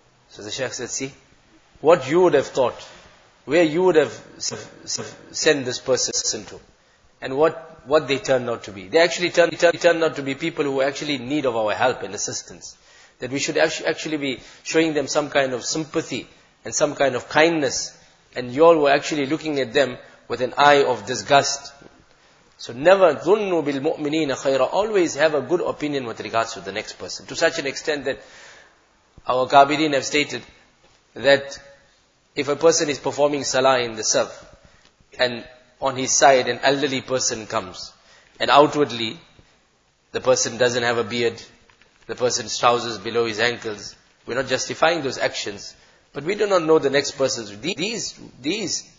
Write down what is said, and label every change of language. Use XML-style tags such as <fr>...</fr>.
<en>So the sheikh said, see, what you would have thought, where you would have sent this person to, and what they turned out to be. They actually turned out to be people who actually need of our help and assistance. That we should actually be showing them some kind of sympathy and some kind of kindness. And you all were actually looking at them with an eye of disgust. So never,</en> <ar>ظُنُّوا بِالْمُؤْمِنِينَ خَيْرًا.</ar> <en>Always have a good opinion with regards to the next person. To such an extent that our Kabirin have stated that if a person is performing salah in the saf, and on his side an elderly person comes, and outwardly the person doesn't have a beard, the person's trousers below his ankles, we're not justifying those actions, but we do not know the next person's. These</en>